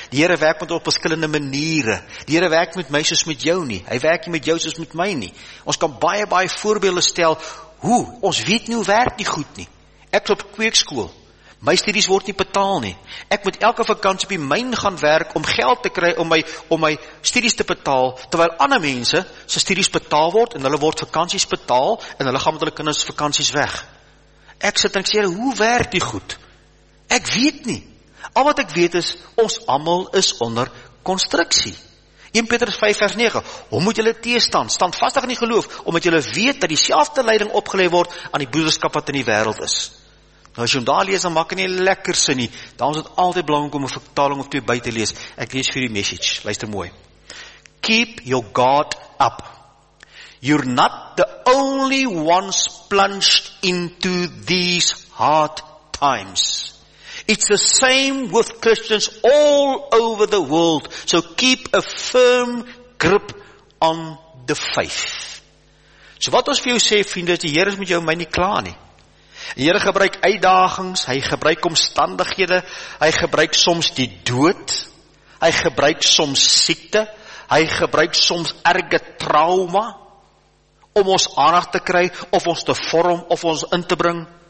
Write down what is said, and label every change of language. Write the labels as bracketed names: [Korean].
[Afrikaans] Die Here werk met ons op verskillende maniere. Die Here werk met my soos met jou nie. Hy werk nie met jou soos met my nie. Ons kan baie, baie voorbeelde stel hoe. Ons weet nie hoe werk nie goed nie. Ek is op kweekskool. My studies word nie betaal nie. Ek moet elke vakantie op die myn gaan werk om geld te kry om my studies te betaal, terwyl ander mense sy studies betaal word en hulle word vakanties betaal en hulle gaan met hulle kinders vakanties weg. Ek sit en ek sê, hoe werk die goed? Ek weet nie. Al wat ek weet is, ons allemaal is onder konstruksie. 1 Petrus 5 vers 9, hoe moet julle teestaan? Stand vastig in die geloof, omdat julle weet dat die selfde leiding opgelei word aan die boodskap wat in die wereld is. Nou as jy om daar lees, dan maak jy nie lekker sin nie. Daarom is het altyd belangrijk om een vertaling of twee by te lees. Ek lees vir die message, luister mooi. [English] Keep your guard up. You're not the only ones plunged into these hard times. It's the same with Christians all over the world. So keep a firm grip on the faith. [Afrikaans] So wat ons vir jou sê, vriende, is die Here is met jou en my nie klaar nie. Die Here gebruik uitdagings, hy gebruik omstandighede, hy gebruik soms die dood, hy gebruik soms siekte, hy gebruik soms erge trauma, om ons aandag te kry, of ons te vorm, of ons in te bring.